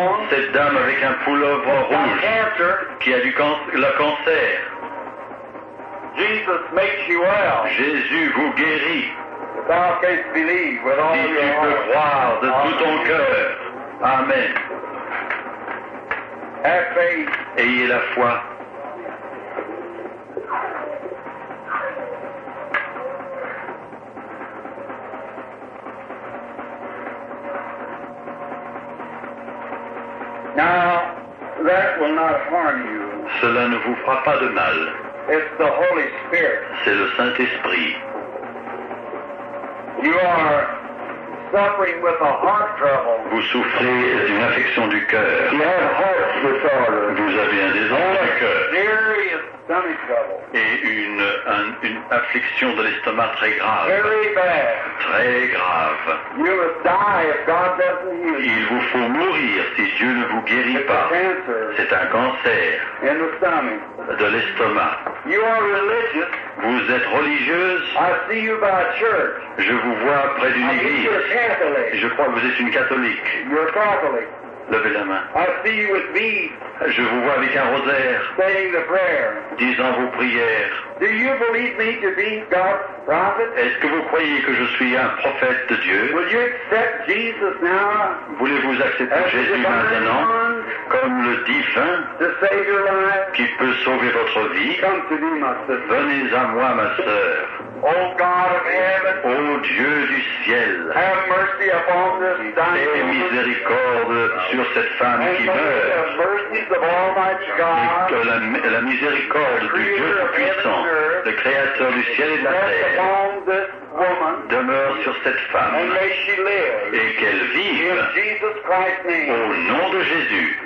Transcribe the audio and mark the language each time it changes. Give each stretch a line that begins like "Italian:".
French: Cette dame avec un pull-over rouge qui a le cancer.
English: Jesus makes you well.
French: Jésus vous guérit.
English: Thou canst believe with all your heart.
French: Si tu peux croire de tout ton cœur. Amen.
English: Have faith.
French: Ayez la foi.
English: Now, that will not harm you.
French: Cela ne vous fera pas de mal.
English: It's the Holy Spirit.
French: C'est le Saint-Esprit.
English: You are suffering with a heart trouble.
French: Vous souffrez d'une affection du cœur.
English: You have heart disorder.
French: Vous avez un désordre du cœur.
English: Serious stomach trouble.
French: Et une affliction de l'estomac très grave.
English: Very bad.
French: Très grave.
English: You must die if God doesn't heal you.
French: Il vous faut mourir si Dieu ne vous guérit
English: It's
French: pas.
English: A cancer.
French: C'est un cancer.
English: In the stomach.
French: De l'estomac.
English: You are religious.
French: Vous êtes religieuse.
English: I see you by a church.
French: Je vous vois près d'une
English: I
French: église.
English: You're Catholic.
French: Je crois que vous êtes une catholique.
English: You're Catholic.
French: Levez la main.
English: I see you with beads.
French: Je vous vois avec un rosaire.
English: Saying the prayer.
French: Disant vos prières.
English: Do you believe me to be God's prophet?
French: Est-ce que vous croyez que je suis un prophète de Dieu?
English: Will you accept Jesus now?
French: Voulez-vous accepter Jésus maintenant comme le divin
English: to save your life?
French: Qui peut sauver votre vie?
English: Come to me, my sister.
French: Venez à moi, ma sœur.
English: O God of heaven,
French: O Dieu du ciel,
English: have mercy upon this dying woman.
French: Aie miséricorde sur cette femme qui meurt. Et que la miséricorde du Dieu tout-puissant, le Créateur du ciel et de la terre, demeure sur cette femme. Et qu'elle vive au nom de Jésus.